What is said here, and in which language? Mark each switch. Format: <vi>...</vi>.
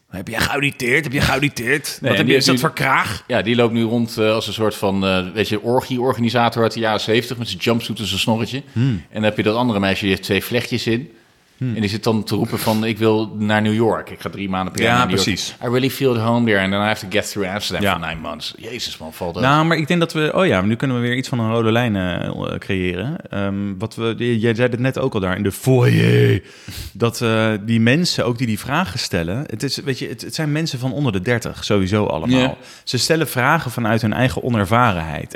<nl>Maar heb jij geauditeerd? Nee, wat heb je, is dat voor kraag? Ja, die loopt nu rond als een soort van orgie-organisator uit de jaren 70. Met zijn jumpsuit en zijn snorretje. En dan heb je dat andere meisje, die heeft 2 vlechtjes in. En die zit dan te roepen van, ik wil naar New York. Ik ga 3 maanden per jaar naar New York. Ja, precies.</nl> <en>I really feel at home there. And then I have to get through Amsterdam for 9 months.</en> <nl>Jezus man, valt dat. Nou, maar ik denk dat we, oh ja, nu kunnen we weer iets van een rode lijn creëren. Jij zei het net ook al daar in de foyer. Dat die mensen, ook die vragen stellen. Het zijn mensen van onder de 30, sowieso allemaal. Yeah. Ze stellen vragen vanuit hun eigen onervarenheid.</nl>